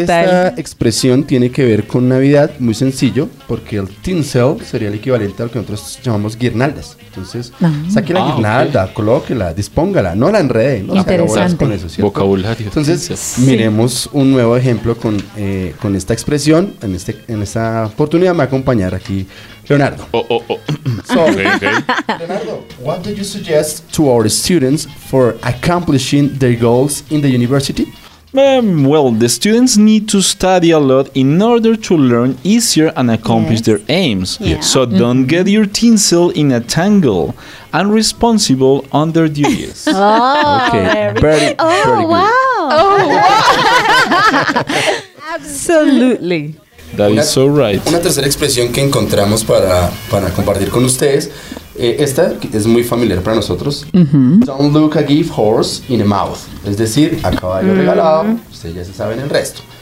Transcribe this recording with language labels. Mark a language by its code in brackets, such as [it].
[es] Esta expresión tiene que ver con Navidad, muy sencillo, porque el tinsel sería el equivalente a lo que nosotros llamamos guirnaldas. Entonces, saque la guirnalda, okay. Colóquela, dispóngala, no la enrede, no se haga bolas con eso, ¿cierto? Vocabulario. Entonces, miremos un nuevo ejemplo con esta expresión. En este, en esta oportunidad me va a acompañar aquí Leonardo. Leonardo, [en] what do you suggest to our students for accomplishing their goals in the university? Well, the students need to study a lot in order to learn easier and accomplish their aims. Yeah. So don't get your tinsel in a tangle. And responsible on their duties. Oh, okay. Very good. Absolutely. That is so right. [es] Una tercera expresión que encontramos para compartir con ustedes. Esta es muy familiar para nosotros. Uh-huh. [en] Don't look a gift horse in a mouth. [es] Es decir, a caballo regalado, ustedes ya se saben el resto.